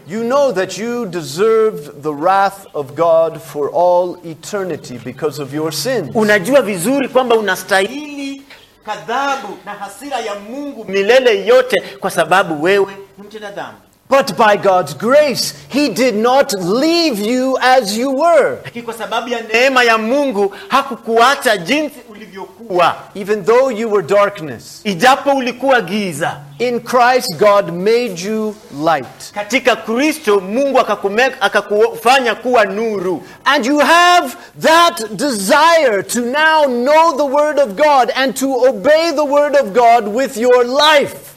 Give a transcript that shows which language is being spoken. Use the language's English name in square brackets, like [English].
[English] You know that you deserved the wrath of God for all eternity because of your sins. [Swahili] Unajua vizuri kwamba unastahili kadhabu na hasira ya Mungu milele yote kwa sababu wewe ni mtenda dhambi. [English] But by God's grace, he did not leave you as you were. [Swahili] Kwa sababu ya neema ya Mungu, hakukuacha jinsi ulivyokuwa. [English] Even though you were darkness. [Swahili] Ijapo ulikuwa giza. [English] In Christ, God made you light. [Swahili] Katika Kristo, Mungu akakufanya kuwa nuru. [English] And you have that desire to now know the word of God and to obey the word of God with your life.